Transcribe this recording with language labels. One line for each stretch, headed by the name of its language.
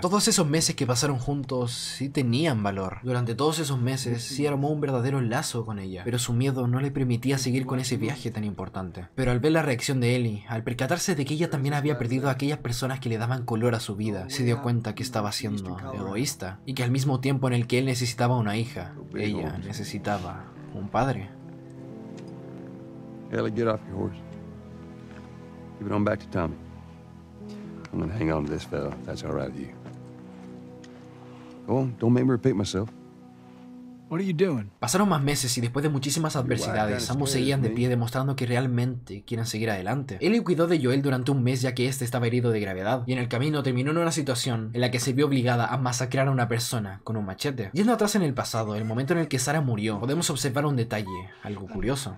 Spanish: Todos esos meses que pasaron juntos sí tenían valor. Durante todos esos meses sí armó un verdadero lazo con ella, pero su miedo no le permitía seguir con ese viaje tan importante. Pero al ver la reacción de Ellie, al percatarse de que ella también había perdido a aquellas personas que le daban color a su vida, se dio cuenta que estaba siendo egoísta, y que al mismo tiempo en el que él necesitaba una hija, ella necesitaba un padre.
English: Ellie, get off your horse. Give it on back to Tommy. I'm gonna hang on to this fella, if that's all right with you. Go on, don't make me repeat myself. What are you doing?
Spanish: Pasaron más meses y después de muchísimas adversidades, ambos seguían de pie demostrando que realmente quieren seguir adelante. Ellie cuidó de Joel durante un mes ya que este estaba herido de gravedad, y en el camino terminó en una situación en la que se vio obligada a masacrar a una persona con un machete. Yendo atrás en el pasado, el momento en el que Sarah murió, podemos observar un detalle, algo curioso.